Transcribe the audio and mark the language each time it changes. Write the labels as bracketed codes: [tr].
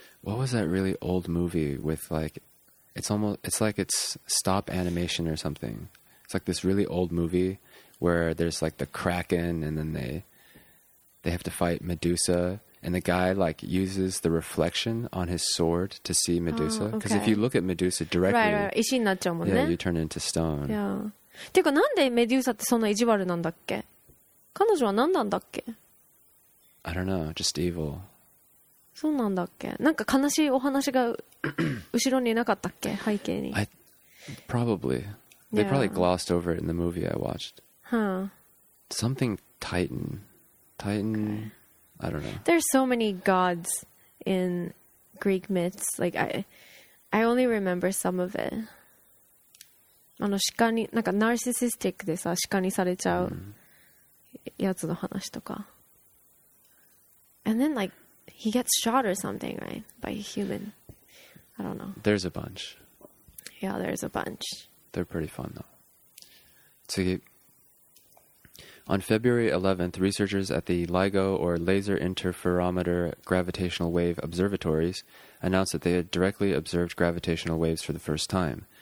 [en] What was that really old movie with like... It's like it's stop animation or something. It's like this really old movie where there's like the Kraken and then they have to fight Medusa, and the guy like uses the reflection on his sword to see Medusa. Because if you look at Medusa directly, right, [ja] 石になっちゃうもんね。 [en] Yeah, you turn into stone. Yeah. [ja] てかなんでメデューサってそんな意地悪なんだっけ？彼女は何なんだっけ？ [en] I don't know, just evil. [ja] そうなんだっけ？なんか悲しいお話が後ろになかったっけ？背景に。 [en] Probably. They probably glossed over it in the movie I watched. Huh. Something Titan. Titan, okay. I don't know. There's so many gods in Greek myths. Like I only remember some of it. [ja] あの鹿に、なんかナルシシスティックでさ、鹿にされちゃうやつの話とか。 [en] And then like he gets shot or something, right? By a human. I don't know. There's a bunch. Yeah, there's a bunch. They're pretty fun though. On February 11th, researchers at the LIGO, or Laser Interferometer Gravitational Wave Observatories, announced that they had directly observed gravitational waves for the first time.